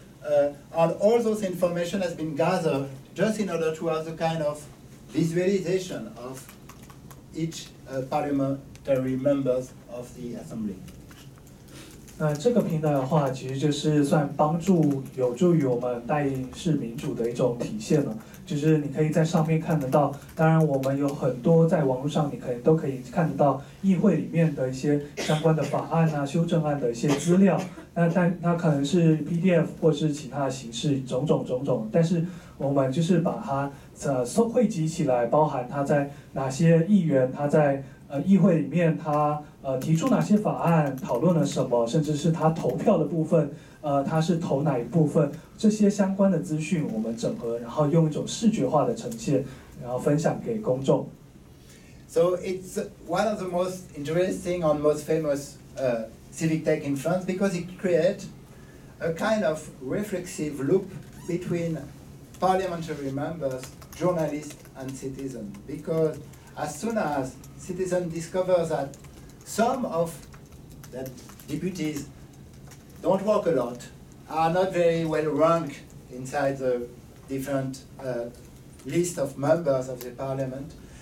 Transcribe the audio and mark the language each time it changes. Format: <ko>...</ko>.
<en>And all those information has been gathered just in order to have the kind of visualization of each parliamentary members of the assembly.</en> <zh>这个平台的话，其实就是算帮助有助于我们大英式民主的一种体现了。就是你可以在上面看得到，当然我们有很多在网络上，你可以都可以看得到议会里面的一些相关的法案啊、修正案的一些资料。那可能是 PDF 或是其他的形式，种种。但是我们就是把它汇集起来，包含它在哪些议员，它在议会里面它提出哪些法案，讨论了什么，甚至是他投票的部分，他是投哪一部分，这些相关的资讯我们整合，然后用一种视觉化的呈现，然后分享给公众。</zh> <en>So it's one of the most interesting and most famous civic tech in France because it creates a kind of reflexive loop between parliamentary members, journalists, and citizens. Because as soon as citizens discover thatSome of the deputies don't work a lot, are not very well ranked inside the different list of members of the parliament.</en>